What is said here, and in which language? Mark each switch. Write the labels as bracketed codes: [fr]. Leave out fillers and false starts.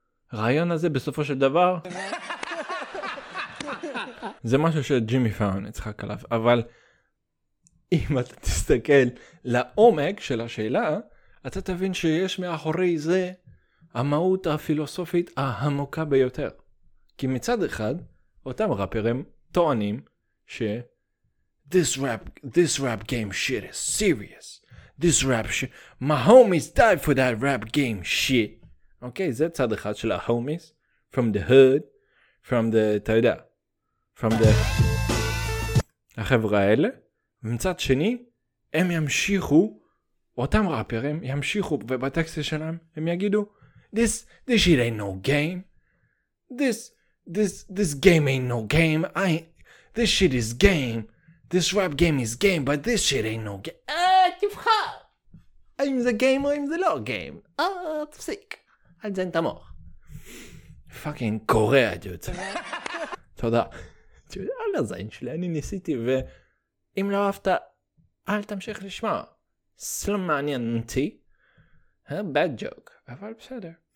[he] הרעיון הזה בסופו של דבר זה משהו שג'ימי פאון יצחק עליו, אבל אם אתה תסתכל לעומק של השאלה, אתה תבין שיש מאחורי זה המהות הפילוסופית העמוקה ביותר. כי מצד אחד, אותם ראפרים טוענים ש [en] This rap game shit is serious. This rap shit, my homies died for that rap game shit. [he] אוקיי, זה צד אחד של ה- [en] homies, from the hood, from the, [he] אתה יודע, [en] from the... [he] החברה האלה, ומצד שני, הם ימשיכו, אותם ראפרים ימשיכו, ובטקסט שלהם, הם יגידו, [en] this shit ain't no game, this game ain't no game, this shit is game, this rap game is game, but this shit ain't no game. [he] תבחר! האם זה game או אם זה לא game? תפסיק. על זה אין תמוך. פאקינג קוראה, דוד. תודה. תודה על הזין שלי, אני ניסיתי, ואם לא אהבת, אל תמשיך לשמוע. סלמניינתי. [en] Bad joke. [he] אבל בסדר.